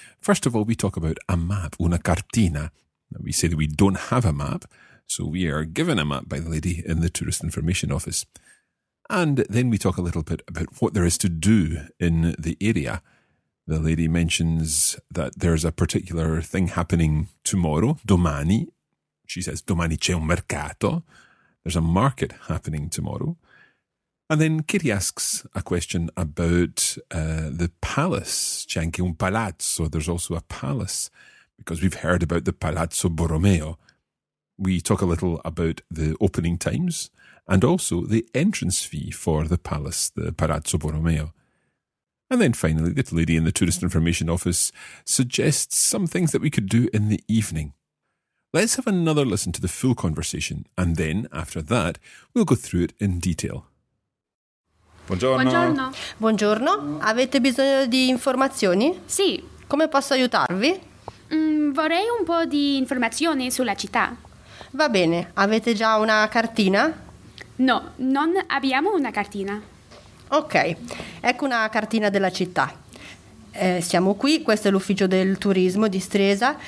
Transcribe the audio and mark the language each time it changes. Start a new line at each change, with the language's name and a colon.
English: First of all, we talk about a map, una cartina. We say that we don't have a map, so we are given a map by the lady in the tourist information office. And then we talk a little bit about what there is to do in the area. The lady mentions that there's a particular thing happening tomorrow, domani. She says,
Italian: domani c'è un mercato.
English: There's a market happening tomorrow. And then Kitty asks a question about the palace.
Italian: C'è anche un palazzo.
English: There's also a palace because we've heard about the Palazzo Borromeo. We talk a little about the opening times and also the entrance fee for the palace, the Palazzo Borromeo. And then finally, the lady in the tourist information office suggests some things that we could do in the evening. Let's have another listen to the full conversation, and then, after that, we'll go through it in detail.
Italian: Buongiorno. Buongiorno. Buongiorno. Avete bisogno di informazioni? Sì. Come posso aiutarvi? Vorrei un po' di informazioni sulla città. Va bene. Avete già una cartina? No, non abbiamo una cartina. Ok, ecco una cartina della città. Siamo qui, questo è l'ufficio del turismo di Stresa.